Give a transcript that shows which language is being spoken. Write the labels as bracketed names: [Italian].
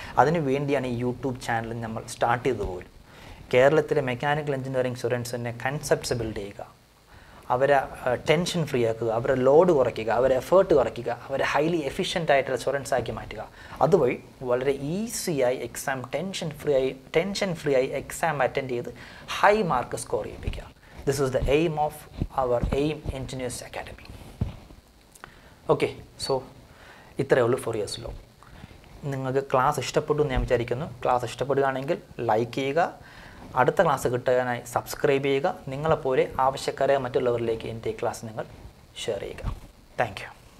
[Malayalam] അതിന് വേണ്ടിയാണ് ഈ യൂട്യൂബ് ചാനൽ നമ്മൾ സ്റ്റാർട്ട് ചെയ്തു പോലും. കേരളത്തിലെ മെക്കാനിക്കൽ എഞ്ചിനീയറിംഗ് സ്റ്റുഡൻസിനെ കൺസെപ്റ്റ്സ് ബിൽഡ് ചെയ്യുക, അവരെ ടെൻഷൻ ഫ്രീ ആക്കുക, അവരെ ലോഡ് കുറയ്ക്കുക, അവരെ എഫേർട്ട് കുറയ്ക്കുക, അവരെ ഹൈലി എഫിഷ്യൻ്റ് ആയിട്ടുള്ള സ്റ്റുഡൻസ് ആക്കി മാറ്റുക. അതുവഴി വളരെ ഈസിയായി എക്സാം ടെൻഷൻ ഫ്രീ ആയി എക്സാം അറ്റൻഡ് ചെയ്ത് high mark score ചെയ്യിപ്പിക്കുക. [English] This is the aim of our AIM Engineers Academy. [Malayalam] Okay, so ഇത്രയേ ഉള്ളൂ ഫോർ ഇയേഴ്സ് ലോ. നിങ്ങൾക്ക് ക്ലാസ് ഇഷ്ടപ്പെട്ടു എന്ന് ഞാൻ വിചാരിക്കുന്നു. ക്ലാസ് ഇഷ്ടപ്പെടുകയാണെങ്കിൽ ലൈക്ക് ചെയ്യുക, അടുത്ത ക്ലാസ് കിട്ടാനായി സബ്സ്ക്രൈബ് ചെയ്യുക. നിങ്ങളെപ്പോലെ ആവശ്യക്കാരെ മറ്റുള്ളവരിലേക്ക് എൻ്റെ ക്ലാസ് നിങ്ങൾ ഷെയർ ചെയ്യുക. Thank you.